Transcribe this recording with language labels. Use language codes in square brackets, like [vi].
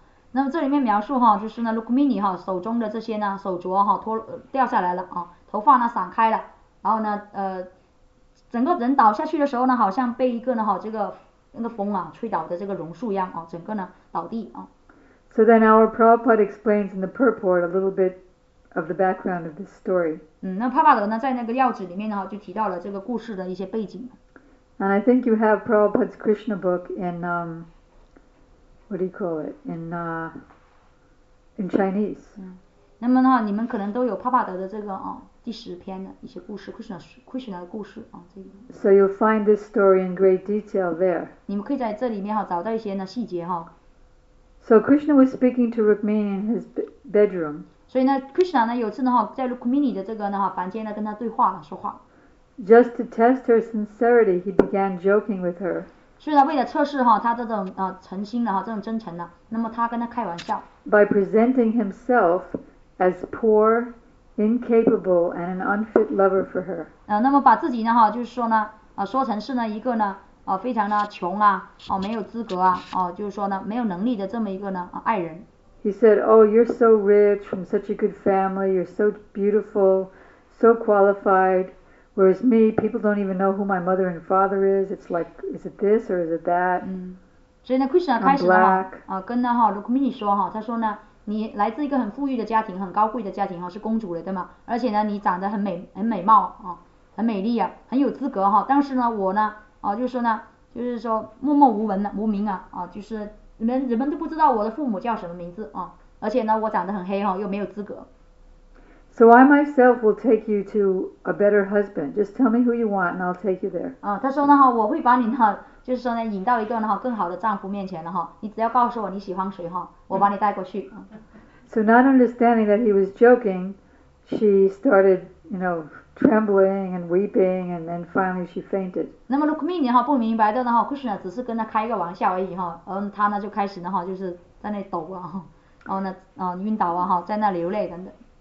[zh] 那么这里面描述就是呢 ,Rukmini 手中的这些呢手镯掉下来了头发呢散开了然后呢整个人倒下去的时候呢，好像被一个呢哈这个那个风啊吹倒的这个榕树一样啊，整个呢倒地啊。 [en] So then our Prabhupada explains in the purport a little bit of the background of this story. [zh] 那帕帕德呢在那个要旨里面呢就提到了这个故事的一些背景。 [en] And I think you have Prabhupada's Krishna book in Chinese. [zh] 那么呢你们可能都有帕帕德的这个啊第十篇的一些故事 Krishna 的故事啊这个。 [en] So you'll find this story in great detail there. [zh] 你们可以在这里面哈找到一些呢细节哈。 [en] So Krishna was speaking to Rukmini in his bedroom. [zh] 所以呢 ，Krishna 呢有次呢哈在 Rukmini 的这个呢哈房间呢跟他对话了说话。 [en] Just to test her sincerity, he began joking with her. [zh] 所以呢，为了测试哈他这种诚心的哈这种真诚呢，那么他跟他开玩笑。 [en] By presenting himself as poor, incapable, and an unfit lover for her. [zh] 那么把自己呢哈就是说呢说成是呢一个呢。非常的穷啊，没有资格啊，就是说呢，没有能力的这么一个呢，爱人。 [en] He said, "Oh, you're so rich from such a good family. You're so beautiful, so qualified. Whereas me, people don't even know who my mother and father is. It's like, is it this or is it that?" [zh] 所以呢 ，Krishna 开始了嘛，跟呢哈 Rukmini 说哈，他说呢，你来自一个很富裕的家庭，很高贵的家庭哈，是公主来的嘛，而且呢，你长得很美，很美貌啊，很美丽啊，很有资格哈，但是呢，我呢。就是说呢，就是说默默无闻的无名啊，就是人们都不知道我的父母叫什么名字啊，而且呢，我长得很黑哈，又没有资格。 [en] So I myself will take you to a better husband. Just tell me who you want, and I'll take you there. [zh] 他说呢哈，我会把你呢，就是说呢，引到一个呢哈更好的丈夫面前的哈，你只要告诉我你喜欢谁哈，我把你带过去。 [en] So not understanding that he was joking, she started, you know. Trembling and weeping, and then finally she fainted. [zh] 那么 Rukmini 哈不明白的呢哈 ，Krishna 只是跟他开一个玩笑而已哈，他呢就开始呢哈就是在那抖啊，然后呢晕倒啊哈，在那流泪等等。